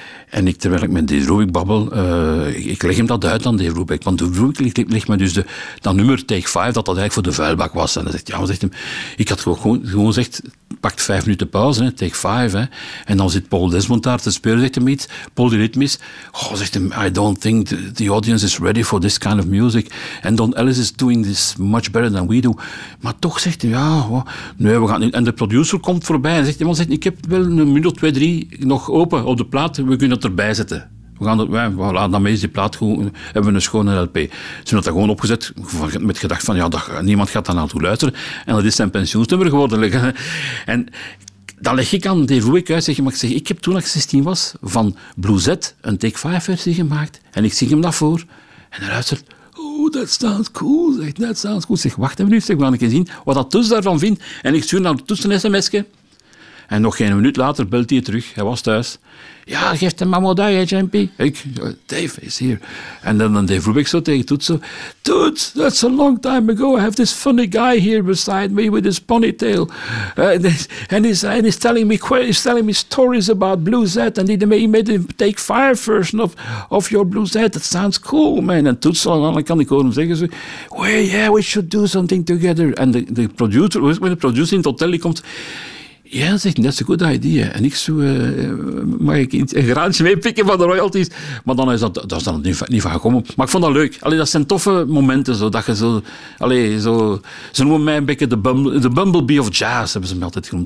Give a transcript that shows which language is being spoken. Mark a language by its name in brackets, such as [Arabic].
[Dutch] En ik, terwijl ik met Dave Brubeck babbel, ik leg hem dat uit aan Dave Brubeck. Want Dave Brubeck legt me dus dat nummer Take 5, dat eigenlijk voor de vuilbak was. En hij zegt, ja, zegt hem, ik had gewoon gezegd, pakt 5 minuten pauze, hè, Take 5. En dan zit Paul Desmond daar te spelen, zegt hem iets, polyrhythmisch. [English] Oh, zegt hem, I don't think the audience is ready for this kind of music. And Don Ellis is doing this much better than we do. [Dutch] Maar toch zegt hij, ja, nee, we gaan niet. En de producer komt voorbij en zegt, man, zegt, ik heb wel een minuut of 2, 3 nog open op de plaat, we kunnen dat erbij zetten. We laten daarmee die plaat goed, hebben we een schone LP. Ze hebben dat gewoon opgezet met gedacht van, ja, niemand gaat daar naartoe luisteren. En dat is zijn pensioensnummer geworden. En dan leg ik aan Dave Brubeck uit, zeg, maar ik zeg, ik heb toen ik 16 was, van Bluesette een Take 5 versie gemaakt. En ik zing hem dat voor. [English] En hij luistert, oh, that sounds cool, zegt, that sounds cool. [Dutch] Zeg, wacht even nu, zeg, we gaan een keer zien wat dat Toets daarvan vindt. En ik stuur naar Toets een sms'je. En nog geen minuut later belt hij terug. Hij was thuis. Ja, geef hem maar modai, hè, Jampi. Ik, Dave is hier. En dan Dave Brubeck zo tegen Toets. [English] Toets, that's a long time ago. I have this funny guy here beside me with his ponytail. And he's telling me stories about Bluesette. And he made him Take 5 version of your Bluesette. That sounds cool, man. [Dutch] En Toets, dan kan ik hem zeggen. [English] Zo, well, yeah, we should do something together. [Dutch] En de producer, when the producer in het hotel komt... Ja, zegt, dat is een good idea. En ik zo, mag ik een graantje meepikken van de royalties? Maar dan is dat niet van gekomen. Maar ik vond dat leuk. Allee, dat zijn toffe momenten. Zo, dat je zo, allee, zo, ze noemen mij een beetje de bumblebee of jazz, hebben ze me altijd genoemd.